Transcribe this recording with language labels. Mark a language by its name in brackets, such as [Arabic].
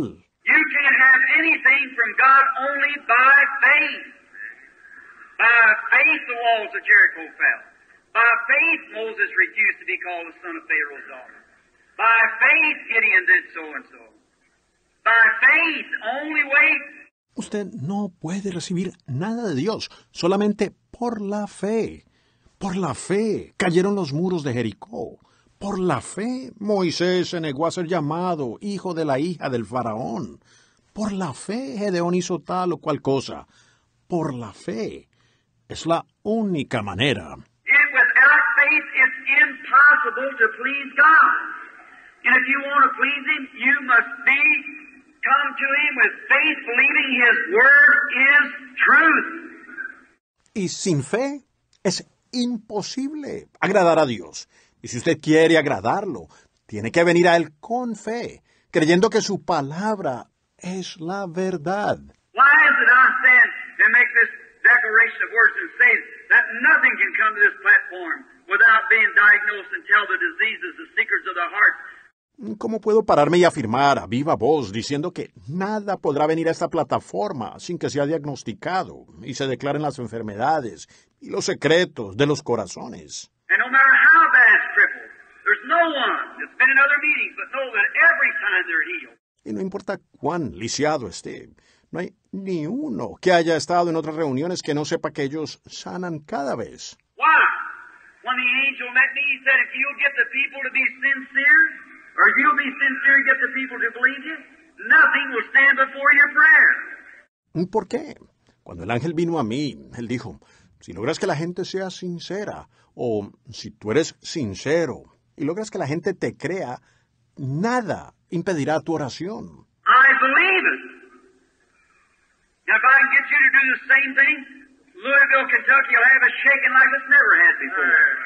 [English] You can have anything from God only by faith. By faith the walls of Jericho fell. By faith Moses refused to be called the son of Pharaoh's daughter. By faith Gideon did so and so. By faith, only way. [Spanish] Usted no puede recibir nada de Dios, solamente por la fe. Por la fe cayeron los muros de Jericó. Por la fe, Moisés se negó a ser llamado hijo de la hija del faraón. Por la fe, Gedeón hizo tal o cual cosa. Por la fe, es la única manera. [English] And without faith, it's impossible to please God. And if you want to please Him, you must be come to Him with faith, believing His word is truth. [Spanish] Y sin fe, es imposible agradar a Dios. Y si usted quiere agradarlo, tiene que venir a Él con fe, creyendo que su palabra es la verdad. [English] Why is it I stand and make this declaration of words and say that nothing can come to this platform without being diagnosed and tell the diseases, the secrets of the heart? [Spanish] ¿Cómo puedo pararme y afirmar a viva voz diciendo que nada podrá venir a esta plataforma sin que sea diagnosticado y se declaren las enfermedades y los secretos de los corazones? [English] And no matter how bad it's crippled, there's no one that's been in other meetings but know that every time they're healed. [Spanish] Y no importa cuán lisiado esté, no hay ni uno que haya estado en otras reuniones que no sepa que ellos sanan cada vez. [English] Why? When the angel met me, he said, if you'll get the people to be sincere, or if you'll be sincere and get the people to believe you, nothing will stand before your prayer. [Spanish] ¿Por qué? Cuando el ángel vino a mí, él dijo, si logras que la gente sea sincera, o si tú eres sincero y logras que la gente te crea, nada impedirá tu oración. [English] I believe it. Now, if I can get you to do the same thing, Louisville, Kentucky will have a shaking like it's never had before.